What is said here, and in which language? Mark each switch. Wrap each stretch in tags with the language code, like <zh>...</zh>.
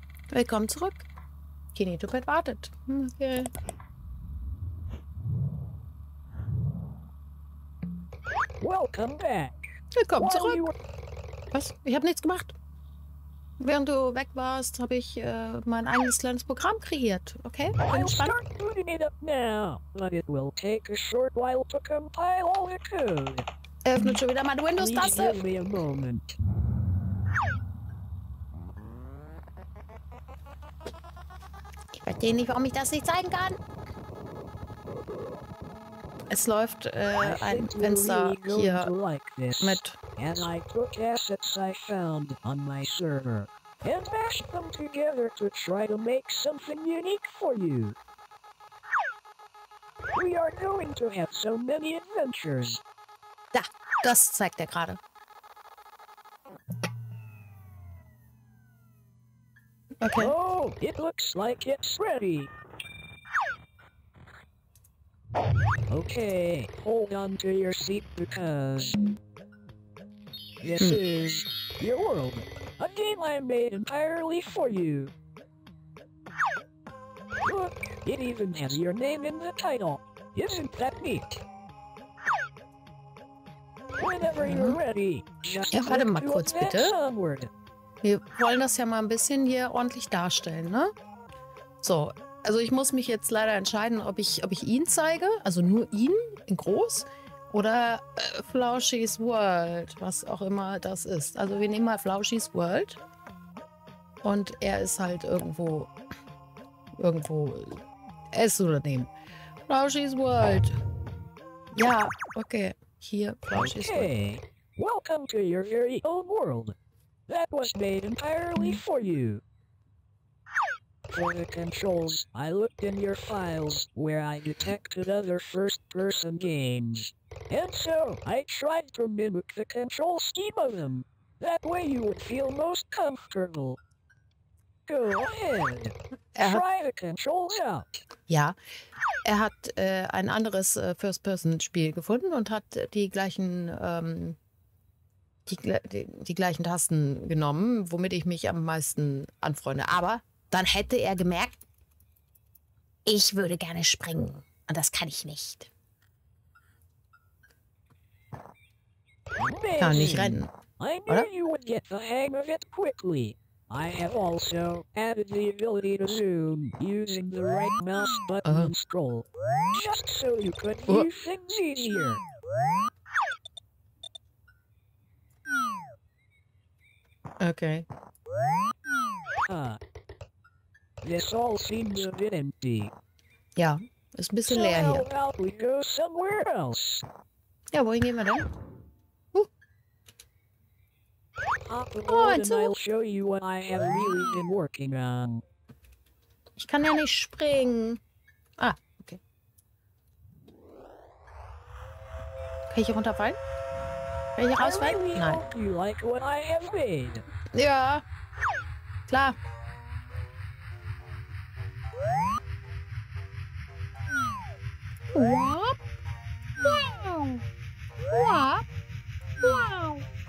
<de>Willkommen zurück. Kinetopet wartet. Okay.</de> <en>Welcome back.</en> <de>Willkommen zurück. Was? Ich habe nichts gemacht. Während du weg warst, habe ich mein eigenes kleines Programm kreiert. Okay? Bin gespannt.</de> <en>I'll start booting it up now, but it will take a short while to compile all the code.</en> <de>Öffnet schon wieder meine Windows-Taste.</de> <en>Please give me a moment.</en> <de>Ich verstehe nicht, warum ich das nicht zeigen kann. Es läuft ein Fenster hier</de> <en>like</en> <de>mit.</de> <en>And I took assets I found on my server and mashed them together to try to make something unique for you. We are going to have so many adventures.</en> <de>Da, das zeigt er gerade. Okay.</de> <en>Oh, it looks like it's ready. Okay, hold on to your seat because this is your world. A game I made entirely for you. Look, it even has your name in the title. Isn't that neat? Whenever you're ready, just click to advance onward.</en> <de>Warte mal kurz, bitte. Wir wollen das ja mal ein bisschen hier ordentlich darstellen, ne? So. Also ich muss mich jetzt leider entscheiden, ob ich ihn zeige, also nur ihn in groß, oder Flauschis World, was auch immer das ist. Also wir nehmen mal Flauschis World und er ist halt irgendwo, er ist so daneben. Flauschis World. Ja, okay, hier Flauschis</de> <en>Okay, welcome to your very own world. That was made entirely for you. For the controls, I looked in your files where I detected other first-person games. And so, I tried to mimic the control scheme of them. That way you would feel most comfortable. Go ahead. Try the controls out.</en> <de>Ja, er hat ein anderes First-Person-Spiel gefunden und hat die gleichen Tasten genommen, womit ich mich am meisten anfreunde. Aber dann hätte er gemerkt, ich würde gerne springen. Und das kann ich nicht.</de> <en>Amazing.</en> <de>Kann nicht rennen.</de> <en>I knew</en> <de>oder?</de> <en>You would get the hang of it quickly. I have also added the ability to zoom using the right mouse button and scroll. Just so you could view things easier. Okay. This all seems a bit empty.</en> <de>Ja, ist ein bisschen leer hier.</de> <en>So how about we go somewhere else?</en> <de>Ja, wohin gehen wir denn?</de> <en>Hop aboard and I'll show you what I have really been working on.</en> <de>Ich kann ja nicht springen. Ah, okay. Kann ich hier runterfallen? Kann ich hier rausfallen?</de> <en>I really</en> <de>Nein.</de> <en>Hope you like what I have made.</en> <de>Ja, klar. Wop! Wow! Wop! Wow!</de>